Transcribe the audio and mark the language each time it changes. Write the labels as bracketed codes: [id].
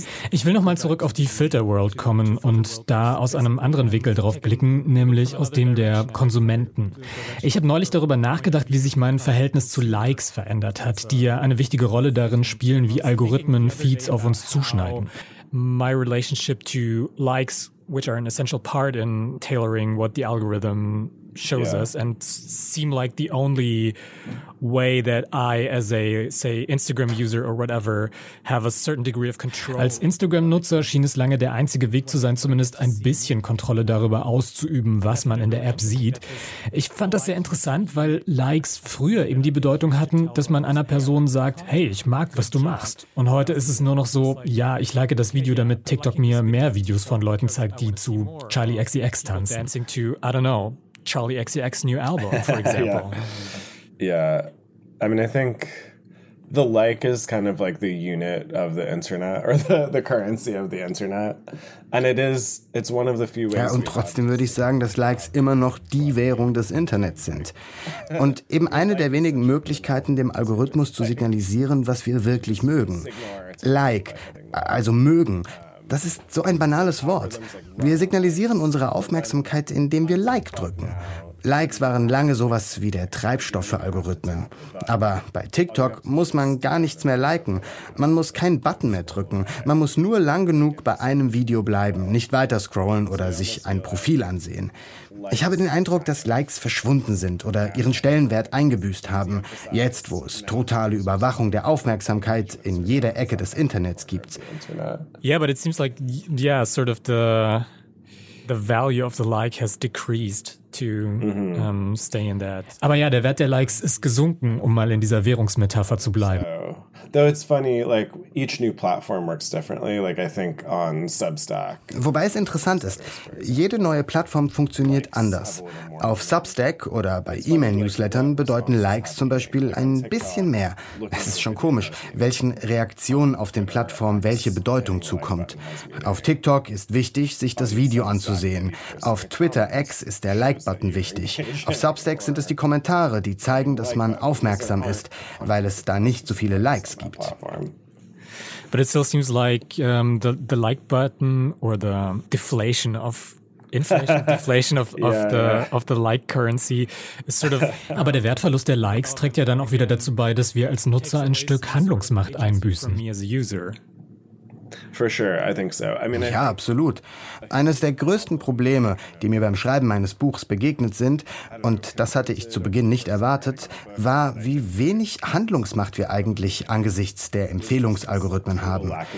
[de] Ich will nochmal zurück auf die Filterworld kommen und da aus einem anderen Winkel drauf blicken, nämlich aus dem der Konsumenten. Ich habe neulich darüber nachgedacht, wie sich mein Verhältnis zu Likes verändert hat, die ja eine wichtige Rolle darin spielen, wie Algorithmen Feeds auf uns zuschneiden. [en] My relationship to likes, which are an essential part in tailoring what the algorithm shows us and seem like the only way that I as a, say, Instagram user or whatever have a certain degree of control. [de] Als Instagram-Nutzer schien es lange der einzige Weg zu sein, zumindest ein bisschen Kontrolle darüber auszuüben, was man in der App sieht. Ich fand das sehr interessant, weil Likes früher eben die Bedeutung hatten, dass man einer Person sagt, hey, ich mag, was du machst. Und heute ist es nur noch so, ja, ich like das Video, damit TikTok mir mehr Videos von Leuten zeigt, die zu Charlie XCX tanzen. [en] Dancing to, I don't know. Charlie XCX new album, for example. I mean, I think the like is kind of like the unit of the internet or the currency of the internet. And it's one of the few ways. [de] Ja, und trotzdem würde ich sagen, dass Likes immer noch die Währung des Internets sind. Und eben eine der wenigen Möglichkeiten, dem Algorithmus zu signalisieren, was wir wirklich mögen. Like, also mögen. Das ist so ein banales Wort. Wir signalisieren unsere Aufmerksamkeit, indem wir Like drücken. Likes waren lange sowas wie der Treibstoff für Algorithmen. Aber bei TikTok muss man gar nichts mehr liken. Man muss keinen Button mehr drücken. Man muss nur lang genug bei einem Video bleiben, nicht weiter scrollen oder sich ein Profil ansehen. Ich habe den Eindruck, dass Likes verschwunden sind oder ihren Stellenwert eingebüßt haben. Jetzt, wo es totale Überwachung der Aufmerksamkeit in jeder Ecke des Internets gibt. [en] Yeah, but it seems like, yeah, sort of the value of the like has decreased to stay in that. [de] Aber ja, der Wert der Likes ist gesunken, um mal in dieser Währungsmetapher zu bleiben. [en] Though it's funny, like each new platform works differently. Like I think on Substack. [de] Wobei es interessant ist, jede neue Plattform funktioniert anders. Auf Substack oder bei E-Mail-Newslettern bedeuten Likes zum Beispiel ein bisschen mehr. Es ist schon komisch, welchen Reaktionen auf den Plattformen welche Bedeutung zukommt. Auf TikTok ist wichtig, sich das Video anzusehen. Auf Twitter X ist der Like-Button wichtig. Auf Substack sind es die Kommentare, die zeigen, dass man aufmerksam ist, weil es da nicht so viele Likes gibt. [en] But it still seems like the like button or the deflation of of the like currency is sort of. [de] Aber der Wertverlust der Likes trägt ja dann auch wieder dazu bei, dass wir als Nutzer ein Stück Handlungsmacht einbüßen. [en] For sure, I think so. I mean, [de] ja, absolut. Eines der größten Probleme, die mir beim Schreiben meines Buchs begegnet sind, und das hatte ich zu Beginn nicht erwartet, war, wie wenig Handlungsmacht wir eigentlich angesichts der Empfehlungsalgorithmen haben.